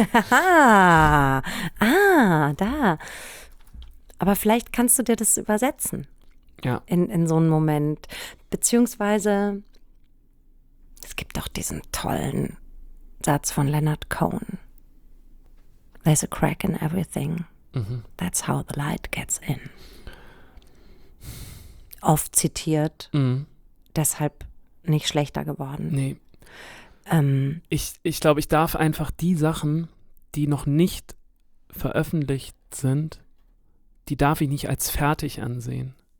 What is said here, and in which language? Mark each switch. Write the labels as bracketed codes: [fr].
[de] Da. Aber vielleicht kannst du dir das übersetzen. Ja. In so einem Moment. Beziehungsweise, es gibt doch diesen tollen Satz von Leonard Cohen. [en] There's a crack in everything. That's how the light gets in. [de] Oft zitiert, deshalb nicht schlechter geworden. Nee. Ich glaube, ich darf einfach die Sachen, die noch nicht veröffentlicht sind, die darf ich nicht als fertig ansehen.